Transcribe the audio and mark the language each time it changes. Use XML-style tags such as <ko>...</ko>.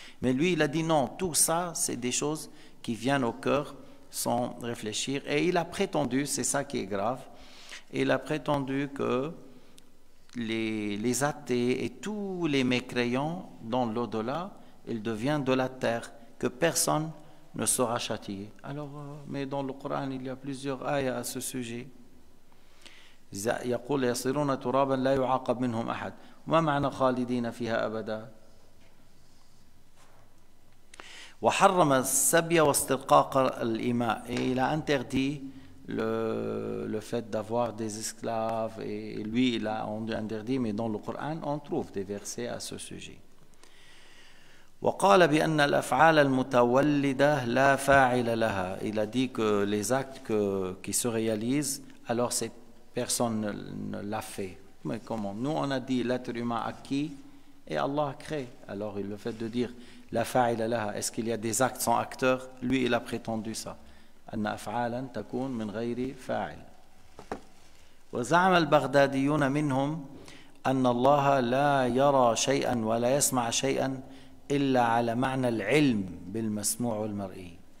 <fr>Mais lui il a dit non, tout ça c'est des choses qui viennent au cœur sans réfléchir, et il a prétendu, c'est ça qui est grave, il a prétendu que les athées et tous les mécréants dans l'au-delà, ils deviennent de la terre, que personne ne sera châtié. Alors, mais dans le Coran, il y a plusieurs ayats à ce sujet.</fr> <ar>يقول يصيرون ترابا لا يعاقب منهم أحد ما معنى خالدين فيها أبدا وحرم السبي واسترقاق الإماء.</ar> <fr>Il a interdit le fait d'avoir des esclaves, et lui il a interdit, mais dans le Coran on trouve des versets à ce sujet.</fr> <ar>وقال بأن الأفعال المتولدة لا فاعل لها.</ar> <fr>Il a dit que les actes qui se réalisent, alors cette personne ne l'a fait. Mais comment? Nous on a dit l'être humain acquis et Allah crée. Alors le fait de dire</fr> <ar>لا فاعل لها,</ar> <fr>est-ce qu'il y a des actes sans acteur? Lui il a prétendu ça.</fr> <ar>أن أفعالا تكون من غير فاعل. وزعم البغداديون منهم أن الله لا يرى شيئا ولا يسمع شيئا إلا على معنى العلم بالمسموع والمرئي.</ar>